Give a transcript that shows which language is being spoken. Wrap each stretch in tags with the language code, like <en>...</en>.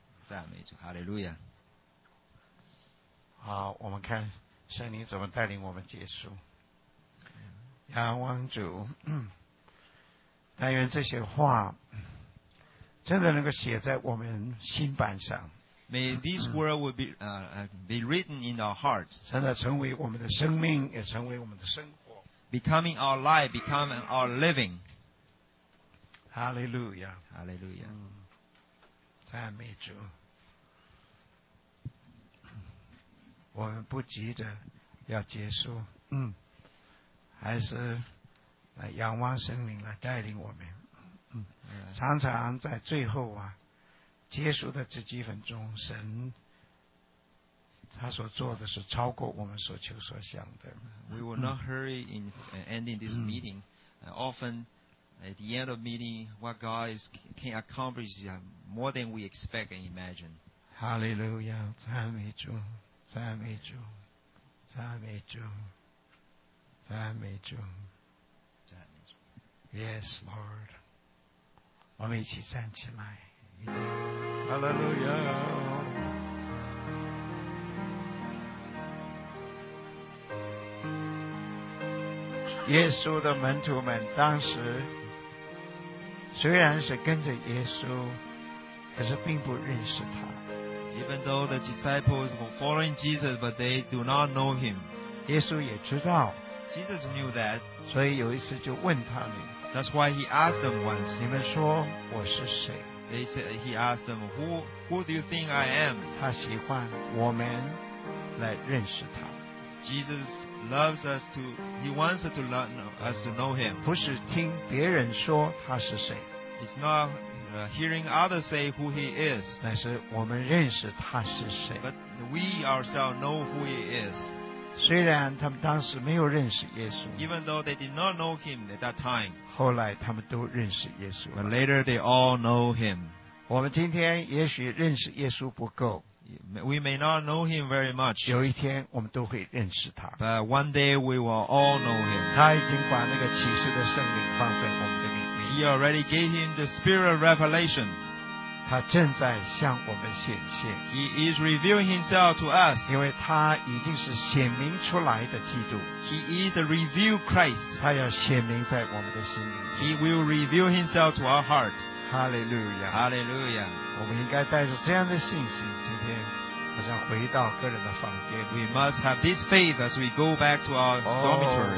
<zh>赞美主。Hallelujah. 好，我们看圣灵怎么带领我们结束。仰望主，但愿这些话真的能够写在我们心板上。</zh> <en>May this word will be written in our hearts.</en> <zh>真的成为我们的生命，也成为我们的生活。</zh> <en>Becoming our life, becoming our living. Hallelujah. Hallelujah.</en> <zh>赞美主。我们不急着要结束，还是来仰望神灵来带领我们，常常在最后啊，结束的这几分钟，神他所做的是超过我们所求所想的。</zh> <en>We will not hurry in ending this meeting. Often at the end of meeting, what God is can accomplish is more than we expect and imagine.</en> <zh>Hallelujah, 赞美主。赞美主，赞美主，赞美主，赞美主。</zh> <en>Yes, Lord.</en> <zh>我们一起站起来。</zh> <en>Hallelujah.</en> <zh>耶稣的门徒们当时虽然是跟着耶稣，可是并不认识他。</zh> <en>Even though the disciples were following Jesus, but they do not know him.</en> <zh>耶稣也知道。</zh> <en>Jesus knew that.</en> <zh>所以有一次就问他们。</zh> <en>That's why he asked them once.</en> <zh>你们说我是谁？</zh> <en>They said, he asked them, who do you think I am?</en> <zh>他喜欢我们来认识他。</zh> <en>Jesus loves us to, he wants to learn us to know him.</en> <zh>不是听别人说他是谁。</zh> <en>It's not hearing others say who he is.</en> <zh>但是我们认识他是谁。</zh> <en>But we ourselves know who he is.</en> <zh>虽然他们当时没有认识耶稣。</zh> <en>Even though they did not know him at that time.</en> <zh>后来他们都认识耶稣。</zh> <en>But later they all know him.</en> <zh>我们今天也许认识耶稣不够。</zh> <en>We may not know him very much.</en> <zh>有一天我们都会认识他。</zh> <en>But one day we will all know him.</en> <zh>他已经把那个启示的圣灵放在我们的里面。</zh> <en>He already gave him the spirit of revelation.</en> <zh>他正在向我们显现。</zh> <en>He is revealing himself to us.</en> <zh>因为他已经是显明出来的基督。</zh> <en>He is the revealed Christ.</en> <zh>他要显明在我们的心里。</zh> <en>He will reveal himself to our heart. Hallelujah. Hallelujah.</en> <zh>我们应该带着这样的信心，今天好像回到个人的房间。</zh> <en>We must have this faith as we go back to our dormitory.</en>